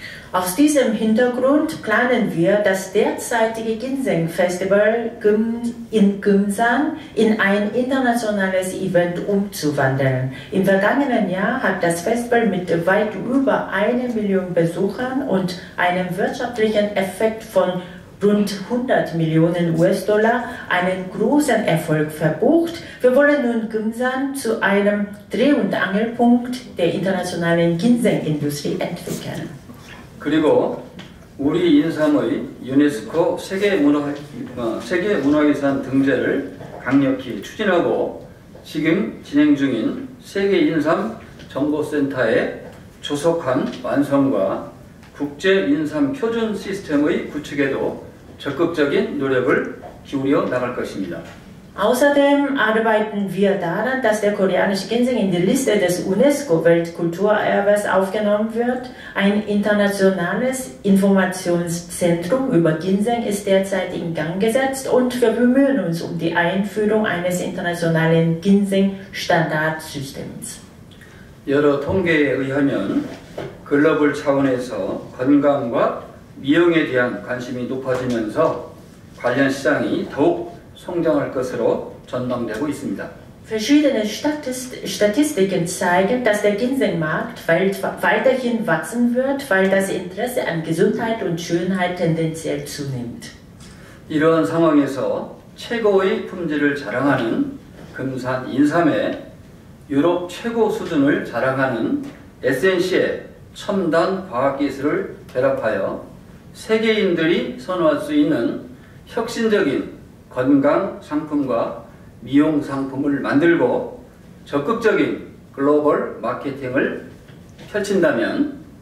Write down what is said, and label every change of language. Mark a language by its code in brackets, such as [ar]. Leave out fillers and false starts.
[de] Aus diesem Hintergrund planen wir, das derzeitige Ginseng Festival in Gunsan in ein internationales Event umzuwandeln. Im vergangenen Jahr hat das Festival mit weit über 1 Million Besuchern und einem wirtschaftlichen Effekt von rund 100 Millionen US-Dollar einen großen Erfolg verbucht. Wir wollen nun Gunsan zu einem Dreh- und Angelpunkt der internationalen Ginseng-Industrie entwickeln. [ko] 그리고 우리 인삼의 유네스코 세계문화유산 등재를 강력히 추진하고 지금 진행 중인 세계인삼정보센터의 조속한 완성과 국제인삼표준시스템의 구축에도 적극적인 노력을 기울여 나갈 것입니다. [de] Außerdem arbeiten wir daran, dass der koreanische Ginseng in die Liste des UNESCO-Weltkulturerbes aufgenommen wird. Ein internationales Informationszentrum über Ginseng ist derzeit in Gang gesetzt und wir bemühen uns um die Einführung eines internationalen Ginseng-Standardsystems. [ko] 여러 통계에 의하면 글로벌 차원에서 건강과 미용에 대한 관심이 높아지면서 관련 시장이 더욱 성장할 것으로 전망되고 있습니다. [de] Verschiedene Statistiken zeigen, dass der Ginsengmarkt weiterhin wachsen wird, weil das Interesse an Gesundheit und Schönheit tendenziell zunimmt. [ko] 이러한 상황에서 최고의 품질을 자랑하는 금산 인삼에 유럽 최고 수준을 자랑하는 SNC의 첨단 과학 기술을 결합하여 세계인들이 선호할 수 있는 혁신적인 건강 상품과 미용 상품을 만들고 적극적인 글로벌 마케팅을 펼친다면